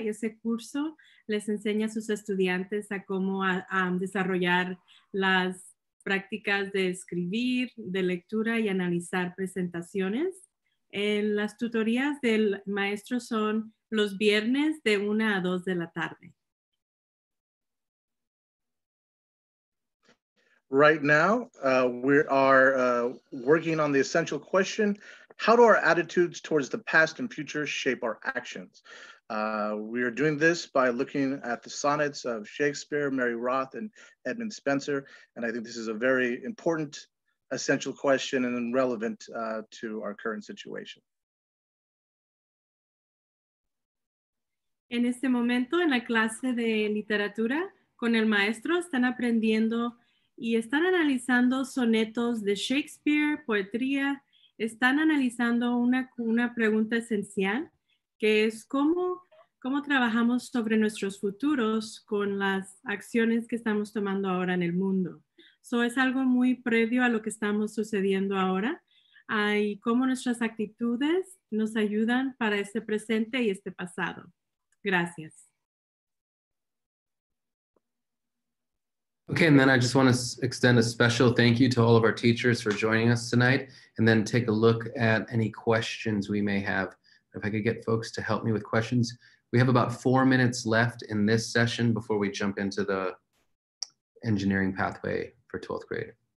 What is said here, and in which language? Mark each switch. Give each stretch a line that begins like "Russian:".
Spanish: Y ese curso les enseña a sus estudiantes a cómo desarrollar las prácticas de escribir, de lectura y analizar presentaciones. Las tutorías del maestro son los viernes de 1 a 2 de la tarde.
English: Right now, we are working on the essential question, how do our attitudes towards the past and future shape our actions? We are doing this by looking at the sonnets of Shakespeare, Mary Roth, and Edmund Spenser. And I think this is a very important essential question and relevant to our current situation.
Spanish: En este momento, en la clase de literatura, con el maestro, están aprendiendo y están analizando sonetos de Shakespeare, poetría. Están analizando una pregunta esencial, que es cómo trabajamos sobre nuestros futuros con las acciones que estamos tomando ahora en el mundo. So, es algo muy previo a lo que estamos sucediendo ahora, y cómo nuestras actitudes nos ayudan para este presente y este pasado. Gracias.
English: Okay, and then I just want to extend a special thank you to all of our teachers for joining us tonight, and then take a look at any questions we may have. If I could get folks to help me with questions. We have about 4 minutes left in this session before we jump into the engineering pathway for 12th grade.